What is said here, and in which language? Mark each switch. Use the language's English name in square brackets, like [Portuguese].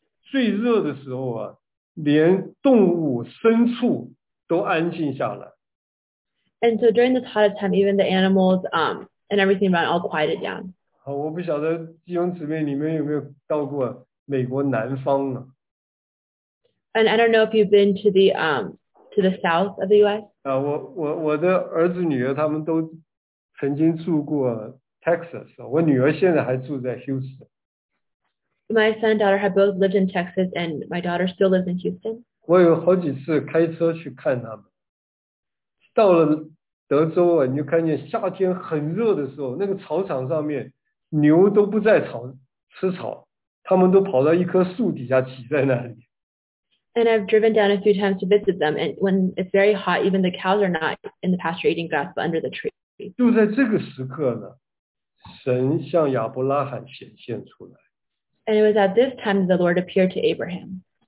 [Chinese] 最热的时候，连动物、牲畜都安静下来。 [English] And so during this hottest time, even the animals and everything around all quieted down. [Chinese] 我不晓得弟兄姊妹你们有没有到过美国南方呢？ [English] And I don't know if you've been to the south of the U.S. [Chinese] 我的儿子女儿他们都曾经住过 Texas. 我女儿现在还住在 Houston. [English] My son and daughter have both lived in Texas, and my daughter still lives in Houston. [Chinese] 我有好几次开车去看他们。到了德州，你就看见夏天很热的时候，那个草场上面牛都不在草吃草，他们都跑到一棵树底下挤在那里。 [English] And I've driven down a few times to visit them, and when it's very hot, even the cows are not in the pasture eating grass, but under the tree. [Chinese] 就在这个时刻呢，神向亚伯拉罕显现出来。 [English] And it was at this time that the Lord appeared to Abraham.